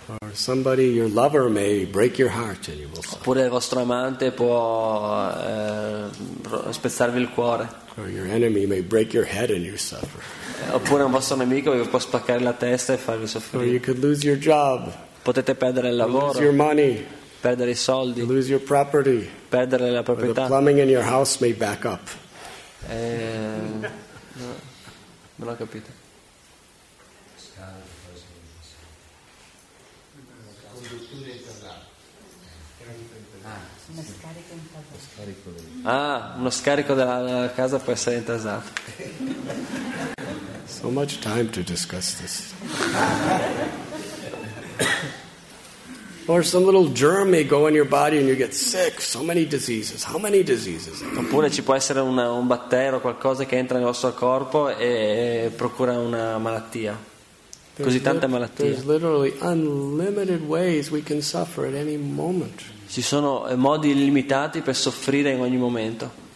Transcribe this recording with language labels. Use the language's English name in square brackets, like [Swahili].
[English] Or somebody, your lover, may break your heart and you will suffer. [Italian] Oppure il vostro amante può spezzarvi il cuore. [English] Or your enemy may break your head and you suffer. [Italian] Oppure un vostro nemico vi può spaccare la testa e farvi soffrire. [English] Or you could lose your job. [Italian] Potete perdere il lavoro. [English] Lose your money. [Italian] Perdere i soldi. [English] You lose your property. [Italian] Perdere la proprietà. [English] Or the plumbing in your house may back up. [Italian] No, non ho capito. Ah, uno scarico della casa può essere intasato. [English] So much time to discuss this. Or some little germ may go in your body and you get sick. So many diseases. How many diseases? [Italian] Oppure ci può essere un batterio o qualcosa che entra nel vostro corpo e procura una malattia. Così tante malattie. [English] There's literally unlimited ways we can suffer at any moment. [Italian] Ci sono modi illimitati per soffrire in ogni momento.